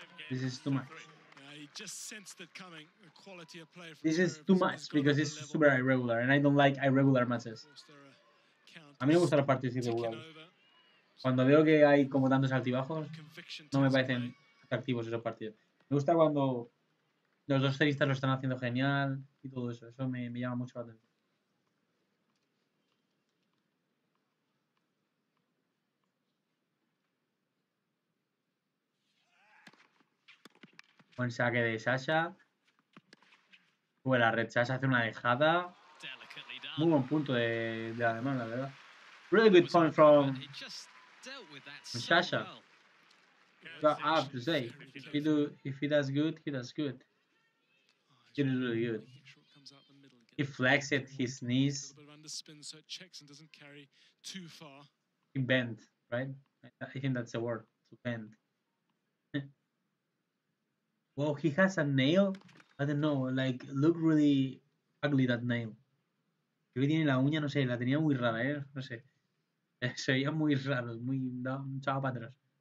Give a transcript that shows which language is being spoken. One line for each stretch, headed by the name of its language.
English: This is too much. Just sensed it coming, the quality of play from this is too much because it's super irregular and I don't like irregular matches.
Spanish: A mí me gustan los partidos irregulares. Cuando veo que hay como tantos altibajos, no me parecen atractivos esos partidos. Me gusta cuando los dos tenistas lo están haciendo genial y todo eso. Eso me llama mucho la atención. Buen saque de Sasha. Bueno, la red Sasha hace una dejada. Muy buen punto de alemán, la verdad.
English: Really good point from Sasha. So, I have to say, if he does good, he does good. He did really good. He flexed his knees. A little bit of underspin, so it checks and doesn't carry too far. He bent, right? I think that's the word, to bend. Well, he has a nail. I don't know, like, look really ugly, that nail.
Spanish: Creo que tiene la uña, no sé, la tenía muy rara, ¿eh? No sé. Se veía muy raro, muy... da un chavo para atrás.